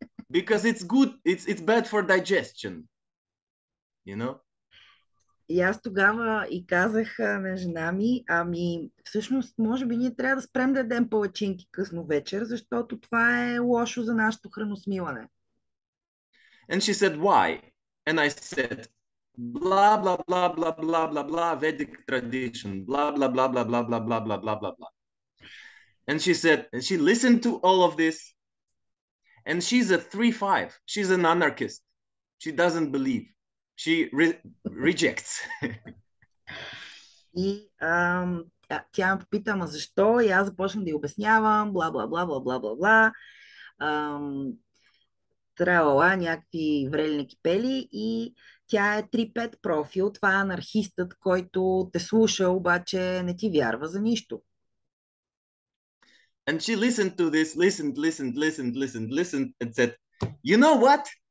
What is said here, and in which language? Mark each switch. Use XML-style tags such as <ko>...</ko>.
<en>Because it's good, it's bad for digestion, you know?</en> <bg>И аз тогава и казах на жена ми, ами всъщност може би ние трябва да спрем да едем палачинки късно вечер, защото това е лошо за нашето храносмилане.</bg> <en>And she said, why? And I said, blah, blah, blah, blah, blah, blah, blah, Vedic tradition, blah, blah, blah, blah, blah, blah, blah, blah, blah, blah, blah. And she said, and she listened to all of this. And she's a 3-5. She's an anarchist. She doesn't believe. She rejects.</en> <bg>И тя ме попита, ама защо? И аз започвам да ѝ обяснявам, бла бла бла бла бла бла бла. Трябва някакви врелини кипели, и тя е 3-5 профил. Това е анархистът, който те слуша, обаче не ти вярва за нищо.</bg> <en>And she listened to this, listened, and said, you know what?</en>